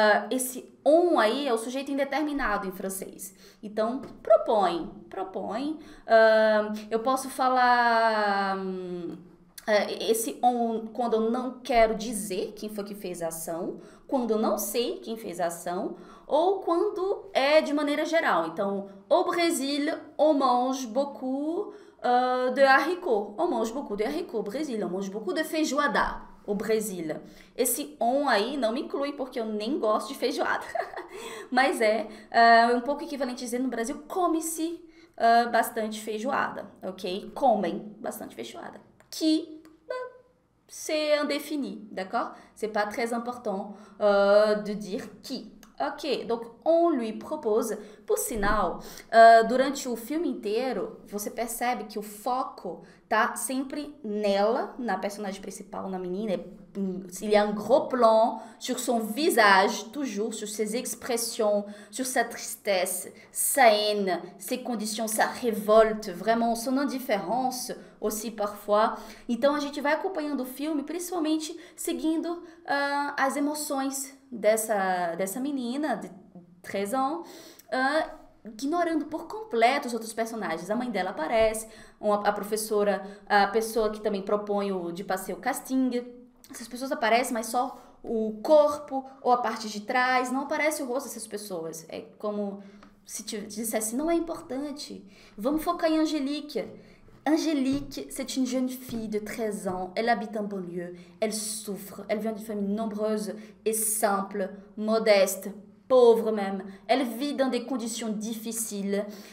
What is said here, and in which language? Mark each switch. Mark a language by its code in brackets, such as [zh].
[pt] Esse on aí é o sujeito indeterminado em francês. Então, propõe. Eu posso falar esse on quando eu não quero dizer quem foi que fez a ação, quando eu não sei quem fez a ação. Ou quando é de maneira geral. [fr] Então, au Brésil, on mange beaucoup de haricots. On mange beaucoup de haricots, Brésil. On mange beaucoup de feijoada, au Brésil. [pt] Esse on aí não me inclui porque eu nem gosto de feijoada. Mas é um pouco equivalente a dizer no Brasil, come-se bastante feijoada, ok? Comem bastante feijoada. [fr] C'est indéfini, d'accord? C'est pas très important de dire qui. [pt] Ok, [fr] donc on lui propose, [pt] por sinal, durante o filme inteiro, você percebe que o foco tá sempre nela, na personagem principal, na menina. [fr] Il y a un gros plan sur son visage, toujours, sur ses expressions, sur sa tristesse, sa haine, ses conditions, sa révolte, vraiment son indifférence aussi parfois. [pt] Então a gente vai acompanhando o filme, principalmente seguindo as emoções dessa menina de 13 anos, ignorando por completo os outros personagens. A mãe dela aparece, a professora, a pessoa que também propõe de passeio casting. Essas pessoas aparecem, mas só o corpo ou a parte de trás, não aparece o rosto dessas pessoas. É como se te dissesse, não é importante, vamos focar em Angelique. [fr] Angélique, c'est une jeune fille de 13 ans. Elle habite en banlieue. Elle souffre. Elle vient d'une famille nombreuse et simple, modeste, pauvre même. Elle vit dans des conditions difficiles.